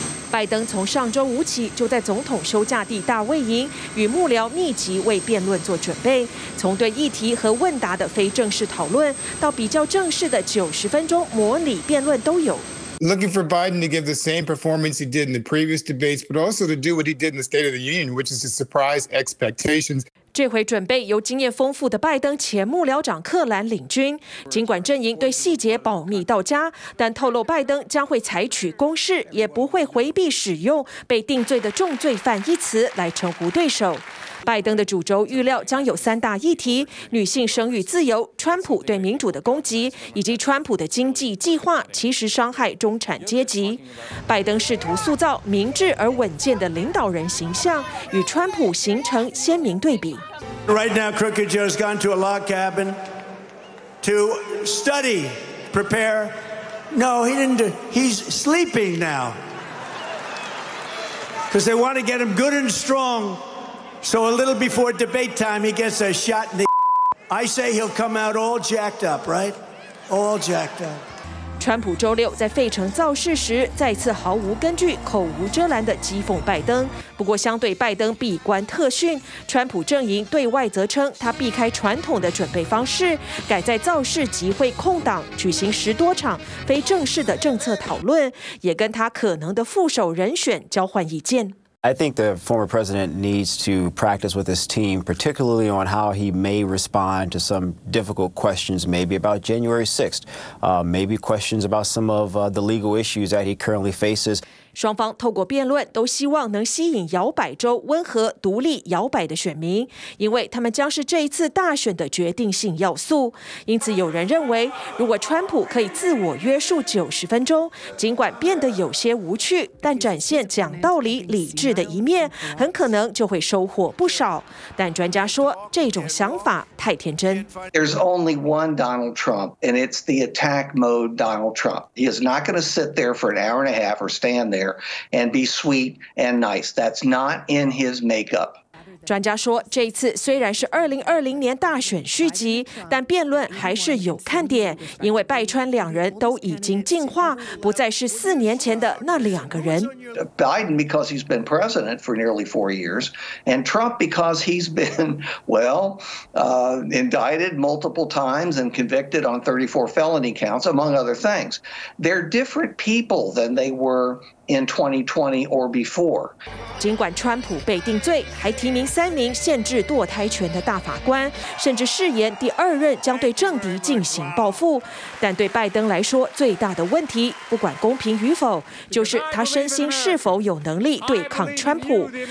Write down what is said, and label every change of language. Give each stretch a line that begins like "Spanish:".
Chinese: 拜登从上周五起就在总统休假地大卫营与幕僚密集为辩论做准备，从对议题和问答的非正式讨论到比较正式的90分钟模拟辩论都有。
English: Looking for Biden to give the same performance he did in the previous debates, but also to do what he did in the State of the Union, which is to surprise expectations.
Chinese: 这回准备由经验丰富的拜登前幕僚长克兰领军。尽管阵营对细节保密到家，但透露拜登将会采取攻势，也不会回避使用被定罪的重罪犯一词来称呼对手。拜登的主轴预料将有三大议题：女性生育自由、川普对民主的攻击，以及川普的经济计划其实伤害中产阶级。拜登试图塑造明智而稳健的领导人形象，与川普形成鲜明对比。
English: Right now, Crooked Joe's gone to a log cabin to study, prepare. No, he didn't. He's sleeping now because they want to get him good and strong. So a little before debate time, he gets a shot in the. I say he'll come out all jacked up, right? All jacked up.
Chinese: 川普周六在费城造势时，再次毫无根据、口无遮拦地讥讽拜登。不过，相对拜登闭关特训，川普阵营对外则称他避开传统的准备方式，改在造势集会空档举行十多场非正式的政策讨论，也跟他可能的副手人选交换意见。
English: I think the former president needs to practice with his team, particularly on how he may respond to some difficult questions, maybe about January 6th, maybe questions about some of the legal issues that he currently faces.
Chinese: 双方透过辩论都希望能吸引摇摆州温和独立摇摆的选民，因为他们将是这一次大选的决定性要素。因此有人认为，如果川普可以自我约束90分钟，尽管变得有些无趣，但展现讲道理理智的一面，很可能就会收获不少。但专家说，这种想法太天真。
English: There's only one Donald Trump, and it's the attack mode Donald Trump. He is not going to sit there for an hour and a half or stand there and be sweet and nice. That's not in his makeup.
Chinese: 专家说，这一次虽然是2020年大选续集，但辩论还是有看点，因为拜川两人都已经进化，不再是4年前的那两个人。
English: Biden because he's been president for nearly 4 years, and Trump because he's been indicted multiple times and convicted on 34 felony counts, among other things. They're different people than they were. In 2020 or before.
Chinese: 尽管川普被定罪，还提名3名限制堕胎权的大法官，甚至誓言第二任将对政敌进行报复，但对拜登来说，最大的问题，不管公平与否，就是他身心是否有能力对抗川普。